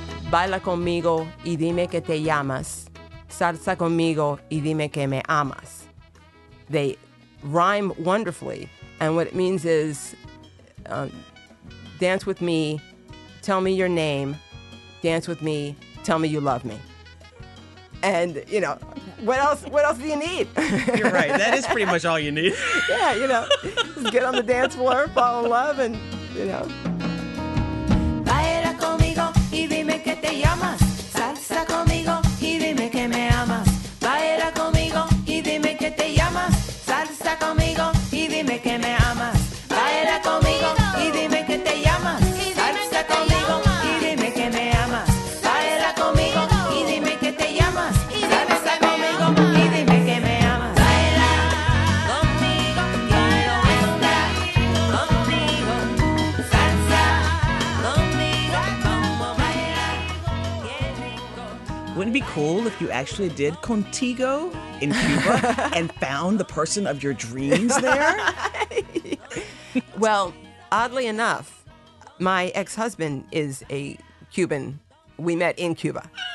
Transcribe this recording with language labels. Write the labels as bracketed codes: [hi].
[es] Baila conmigo y dime que te llamas. Salsa conmigo y dime que me amas. [en] They rhyme wonderfully. And what it means is, dance with me, tell me your name. Dance with me, tell me you love me. And, you know, what else do you need? You're right. That is pretty much all you need. Yeah, you know. Just get on the dance floor, fall in love, and, you know. [es] Baila conmigo y dime que te llamas. Salsa conmigo y dime que me amas. Baila conmigo y dime que te llamas. Salsa conmigo y dime que me amas. Baila conmigo y dime que te llamas. Salsa conmigo y dime que me amas. Baila conmigo y dime que te llamas. Salsa conmigo y dime que me amas. Baila conmigo y no venga conmigo. Salsa conmigo como baila. Qué rico. [en] Wouldn't it be cool if you actually did contigo in Cuba and found the person of your dreams there? Well, oddly enough, my ex-husband is a Cuban. We met in Cuba.